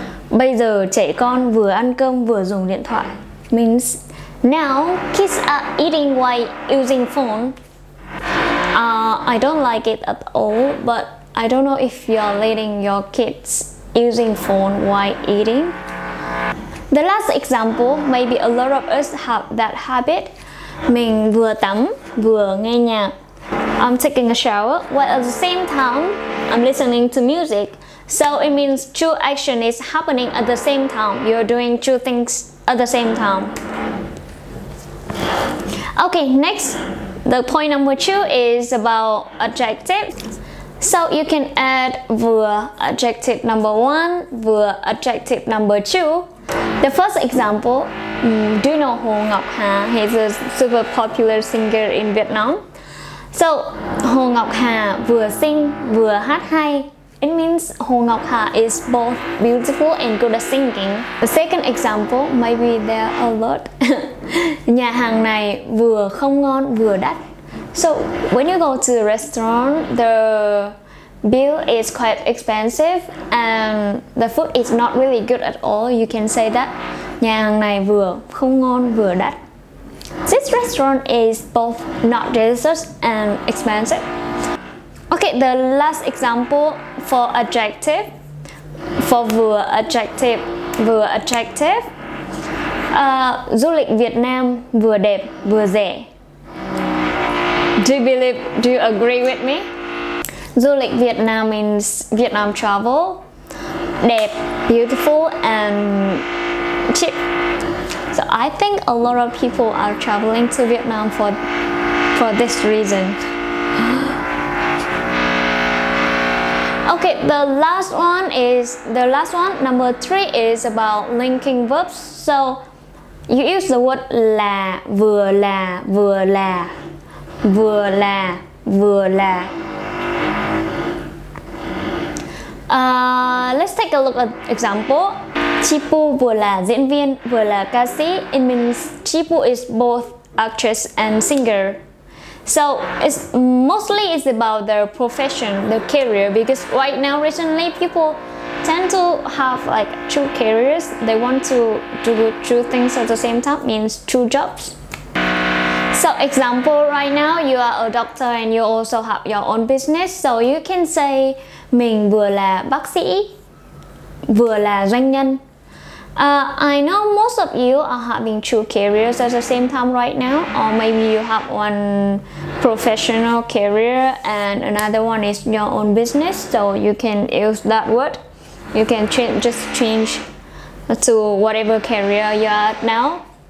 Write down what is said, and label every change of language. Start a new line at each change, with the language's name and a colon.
Vietnamese: Bây giờ trẻ con vừa ăn cơm vừa dùng điện thoại
English: means now kids are eating while using phone. I don't like it at all, but I don't know if you are letting your kids using phone while eating. The last example, maybe a lot of us have that habit.
Vietnamese: Mình vừa tắm, vừa nghe nhạc.
English: I'm taking a shower, while at the same time, I'm listening to music. So it means two action is happening at the same time. You're doing two things at the same time. Okay, next. The point number two is about adjective. So you can add vừa adjective number one, vừa adjective number two. The first example, do you know Hồ Ngọc Hà? He's a super popular singer in Vietnam. So Hồ Ngọc Hà vừa sing vừa hát hay. It means Hồ Ngọc Hà is both beautiful and good at singing. The second example, maybe there are a lot.
Vietnamese: Nhà hàng này vừa không ngon vừa đắt.
English: So when you go to the restaurant, the bill is quite expensive and the food is not really good at all. You can say that
Vietnamese: nhà hàng này vừa không ngon vừa đắt.
English: This restaurant is both not delicious and expensive. Okay, the last example for adjective, for vừa adjective, vừa adjective.
Vietnamese: Du lịch Việt Nam vừa đẹp vừa rẻ.
English: Do you believe, do you agree with me? Du lịch Việt Nam means Vietnam travel. Đẹp, beautiful and cheap. So I think a lot of people are traveling to Vietnam for this reason. Okay, the last one is, the last one, number three is about linking verbs. So you use the word là, vừa là, vừa là, vừa là, vừa là. Let's take a look at example.
Vietnamese: Chipu vừa là diễn viên, vừa là ca sĩ.
English: It means Chipu is both actress and singer. So it's mostly it's about their profession, their career, because right now recently people tend to have like two careers. They want to do two things at the same time, means two jobs. So example, right now you are a doctor and you also have your own business. So you can say
Vietnamese: mình vừa là bác sĩ, vừa là doanh nhân.
English: I know most of you are having two careers at the same time right now, or maybe you have one professional career and another one is your own business. So you can use that word. You can just change to whatever career you are at now.